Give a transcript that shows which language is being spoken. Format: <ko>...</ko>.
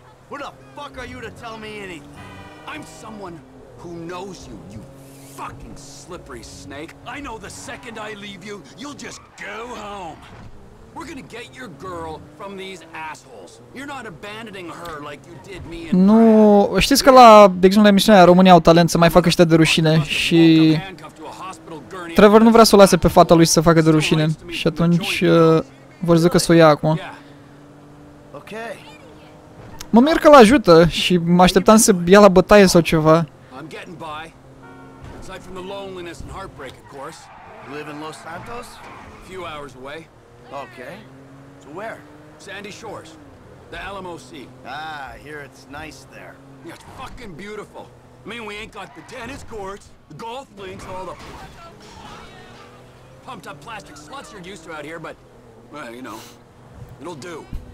<en>What the fuck are you to tell me anything? I'm someone who knows you, you fucking slippery snake. I know the second I leave you, you'll just go home. We're gonna get your girl from these assholes. You're not abandoning her like you did me and...</en> <ro>Nu, știți că la, de exemplu, la emisiunea România au talent să mai facă ăștia de rușine și... Trevor nu vrea să o lase pe fata lui să facă de rușine și atunci vor zică să o ia acum.</ro> <en>Okay.</en> <ro>Mă mir că l-ajută și mă așteptam să ia la bătaie sau ceva.</ro> <en>Aside from the loneliness and heartbreak, of course. You live in Los Santos? A few hours away. Okay. So where? Sandy Shores. The LMOC. Ah, here it's nice there. Yeah, it's fucking beautiful. I mean, we ain't got the tennis courts, the golf links, all the pumped up plastic sluts you're used to out here, but, well, you know, it'll do.</en>